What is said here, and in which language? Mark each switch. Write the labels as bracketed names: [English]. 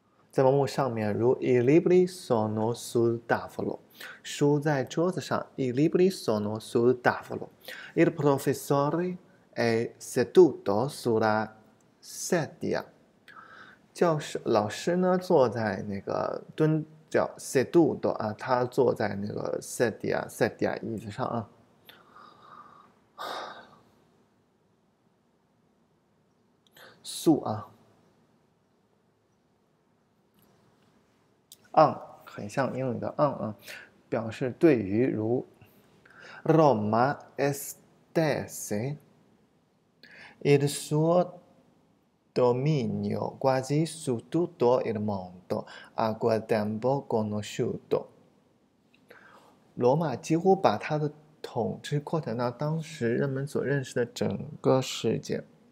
[Italian] 在某某上面，如 i libri sono sul tavolo， [Chinese] 书在桌子上； [Italian] i libri sono sul tavolo，il professore è seduto sulla sedia。 [Chinese] 教师老师呢，坐在那个蹲叫 seduto 啊，他坐在那个 sedia 椅子上啊。 su 啊，on 很像英语的 on 啊，表示对于如 [Italian] Roma è stata desse il suo dominio quasi su tutto il mondo a quel tempo conosciuto. [Chinese] Roma 几乎把他的统治扩展到当时人们所认识的整个世界。